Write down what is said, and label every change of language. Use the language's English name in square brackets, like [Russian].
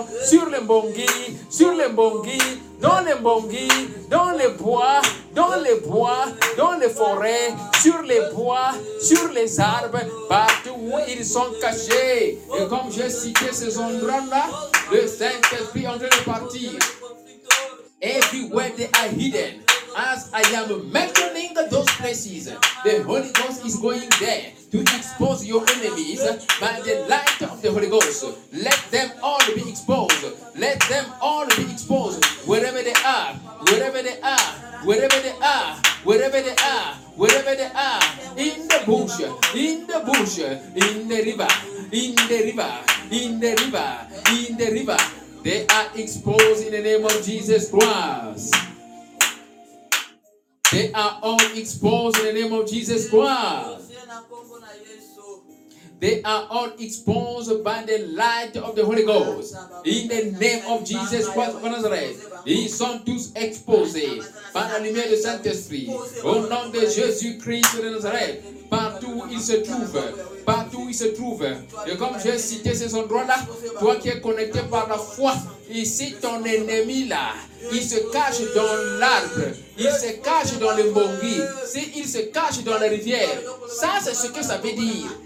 [French] sur les mbongi, sur les mbongi, dans les mbongi, dans les bois, dans les bois, dans les forêts, sur les bois, sur les arbres, partout où ils sont cachés. Et comme j'ai cité ces endroits-là, le Saint-Esprit est en train de partir. [English] Everywhere they are hidden. As I am mentioning those places, the Holy Ghost is going there to expose your enemies by the light of the Holy Ghost. Let them all be exposed. Let them all be exposed. Wherever they are, wherever they are, wherever they are, wherever they are, wherever they are, in the bush, in the bush, in the river, in the river, in the river, in the river, they are exposed in the name of Jesus Christ. They are all exposed in the name of Jesus Christ. They are all exposed by the light of the Holy Ghost. In the name of Jesus Christ of Nazareth. [French] Ils sont tous exposés par la lumière du Saint-Esprit. Au nom de Jésus-Christ de Nazareth. Partout où ils se trouvent. Partout où ils se trouvent. Et comme j'ai cité ces endroits-là, toi qui es connecté par la foi, ici ton ennemi là, il se cache dans l'arbre, il se cache dans le mbongi, si il se cache dans la rivière, ça c'est ce que ça veut dire.